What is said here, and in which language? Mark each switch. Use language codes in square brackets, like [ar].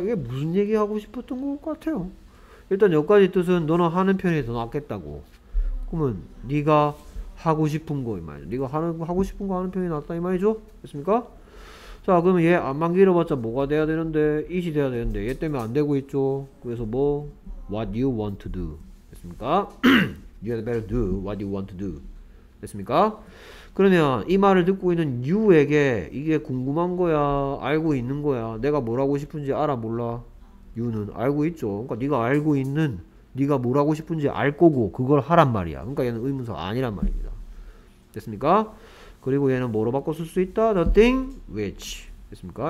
[ko] 이게 무슨 얘기 하고 싶었던 것 같아요. 일단 여기까지 뜻은 너는 하는 편이 더 낫겠다고. 그러면 네가 하고 싶은 거 이 말이죠. 네가 하고 싶은 거 하는 편이 낫다 이 말이죠? 됐습니까? 자, 그러면 얘 안만 길어봤자 뭐가 돼야 되는데? it이 돼야 되는데 얘 때문에 안 되고 있죠. 그래서 뭐? [en] what you want to do. [ko] 됐습니까? [en] you had better do what you want to do. [ko] 됐습니까? 그러면 이 말을 듣고 있는 you에게 이게 궁금한 거야? 알고 있는 거야? 내가 뭘 하고 싶은지 알아? 몰라? you는 알고 있죠. 그러니까 네가 알고 있는 네가 뭘 하고 싶은지 알 거고 그걸 하란 말이야. 그러니까 얘는 의문사 아니란 말입니다. 됐습니까? 그리고 얘는 뭐로 바꿨을 수 있다? nothing, which. 됐습니까?